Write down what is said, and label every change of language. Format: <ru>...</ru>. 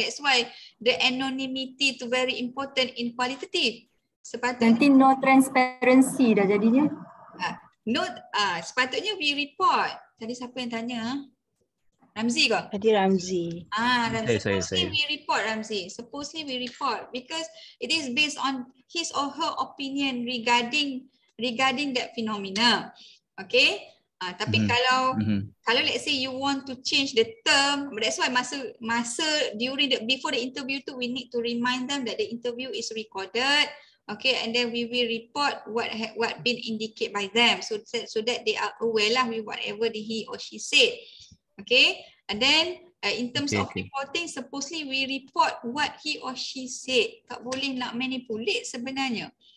<en>That's why the anonymity tu very important in qualitative.</en> <ms>Sepatutnya. Nanti</ms> <en>no transparency</en> <ms>dah jadinya. Sepatutnya</ms> <en>we report.</en> <ms>Tadi siapa yang tanya? Ramzi ke? Hadi Ramzi. Ah,</ms> <en>Ramzi. Supposedly we report, Ramzi. Supposedly we report because it is based on his or her opinion regarding that phenomena. Okay?</en> <ms>Tapi kalau</ms> <en>let's say you want to change the term, that's why</en> <ms>masa</ms> <en>during before the interview too, we need to remind them that the interview is recorded. Okay, and then we will report what been indicated by them so that they are aware lah with whatever he or she said. Okay, and then in terms of reporting, supposedly we report what he or she said.</en> <ms>Tak boleh nak manipulate sebenarnya.</ms>